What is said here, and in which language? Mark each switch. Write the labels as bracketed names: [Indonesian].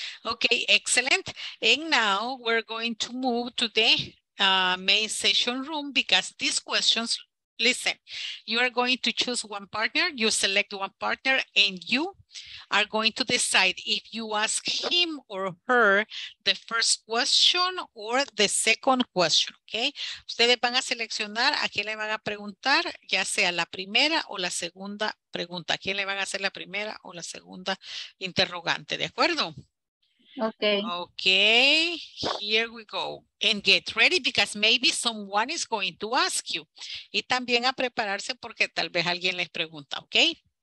[English] Okay, excellent. And now we're going to move to the main session room, because these questions, listen, you are going to choose one partner, you select one partner, and you are going to decide if you ask him or her the first question or the second question, okay? [Spanish] Ustedes van a seleccionar a quién le van a preguntar, ya sea la primera o la segunda pregunta, a quién le van a hacer la primera o la segunda interrogante, ¿de acuerdo? [English] Okay, here we go. And get ready because maybe someone is going to ask you. [Spanish] Y también a prepararse porque tal vez alguien les pregunta, okay?